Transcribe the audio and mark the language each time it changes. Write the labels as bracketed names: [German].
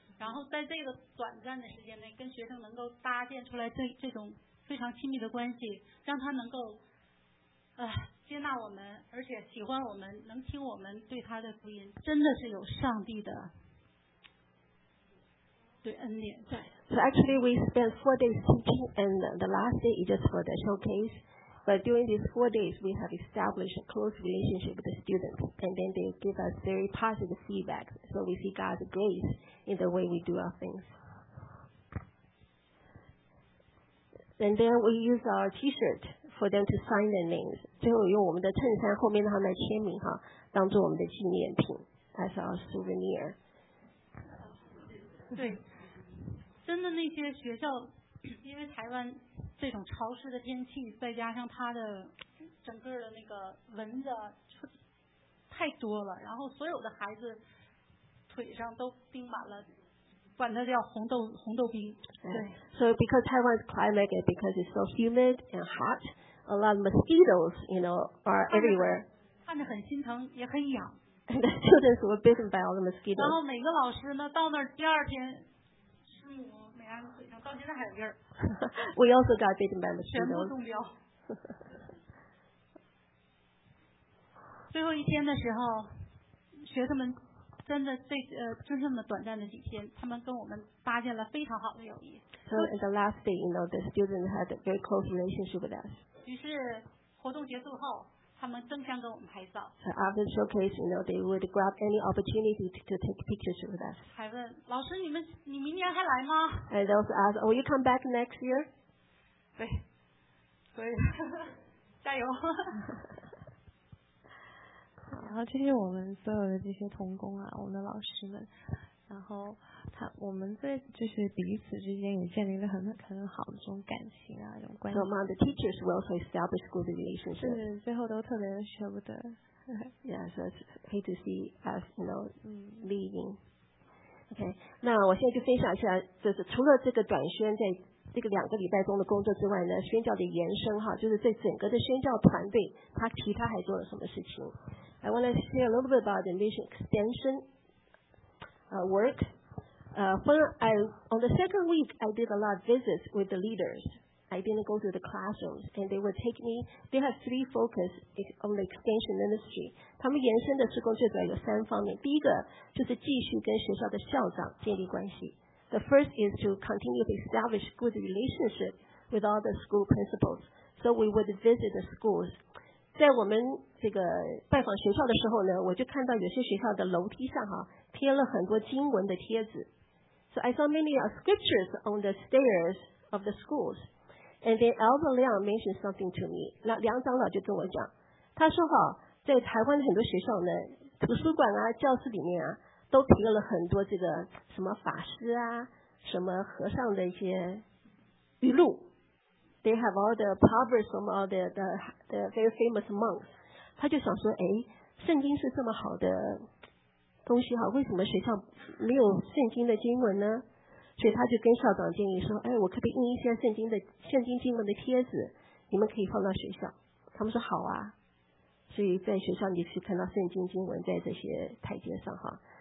[Chinese] 然后在这个短暂的时间内，跟学生能够搭建出来这种。非常亲密的关系，让他能够接纳我们，而且喜欢我们，能听我们对他的福音，真的是有上帝的对恩典在。 [English] So actually, we spent 4 days teaching, and the last day is just for the showcase. But during these 4 days, we have established a close relationship with the students, and then they give us very positive feedback. So we see God's grace in the way we do our things. And then we use our T-shirt for them to sign their names. [Chinese] 最后用我们的衬衫后面的他们的签名哈，当做我们的纪念品 ， [English] as our souvenir. [Chinese] 对，真的那些学校，因为台湾这种潮湿的天气，再加上它的整个的那个蚊子太多了，然后所有的孩子腿上都钉满了。管它叫红豆冰。 [English] So because Taiwan's climate is because it's so humid and hot, a lot of mosquitoes, you know, are everywhere. [Chinese] 看着很心疼，也很痒。 [English] The students were bitten by all the mosquitoes. [Chinese] 然后每个老师呢，到那儿第二天，师母美安腿上到现在还有印儿。 [English] We also got bitten by mosquitoes. [Chinese] 全部中标。最后一天的时候，学生们。真的这真正的短暂的几天，他们跟我们搭建了非常好的友谊。 [English] So in the last day, you know, the students had a very close relationship with us. [Chinese] 于是活动结束后，他们争相跟我们拍照。 [English] So after the showcase, you know, they would grab any opportunity to take pictures with us. [Chinese] 还问老师你明年还来吗 [English] ？And they also ask, will you come back next year? [Chinese] 对，所以加油。然后这些我们所有的这些同工啊，我们的老师们，然后他我们在就是彼此之间也建立了很好的这种感情啊，这种关系。 [English] So among the teachers, we also establish good relationships. [Chinese] 是，最后都特别的舍不得。 [English] Yeah, so it's hate to see us, you know, leaving. [Chinese] Okay, 那我现在就分享一下，就是除了这个短宣在这个两个礼拜中的工作之外呢，宣教的延伸哈，就是这整个的宣教团队，他其他还做了什么事情？ [English] I want to share a little bit about the mission extension work. On the second week, I did a lot of visits with the leaders. I didn't go to the classrooms, and they would take me. They have three focus on the extension ministry. [Chinese] 他们延伸的施工最主要有三方面。第一个就是继续跟学校的校长建立关系。 [English] The first is to continue to establish good relationship with all the school principals. So we would visit the schools. [Chinese] 在我们这个拜访学校的时候呢，我就看到有些学校的楼梯上哈贴了很多经文的贴纸。 [English] So I saw many scriptures on the stairs of the schools. And then Elder Liang mentioned something to me. [Chinese] 梁长老就跟我讲，他说哈，在台湾的很多学校呢，图书馆啊、教室里面啊，都贴了很多这个什么法师啊、什么和尚的一些语录。 [English] They have all the proverbs from all the very famous monks. [Chinese] 他就想说，哎，圣经是这么好的东西哈，为什么学校没有圣经的经文呢？所以他就跟校长建议说，哎，我可不可以印一些圣经经文的贴纸，你们可以放到学校。他们说好啊。所以在学校你去看到圣经经文在这些台阶上哈。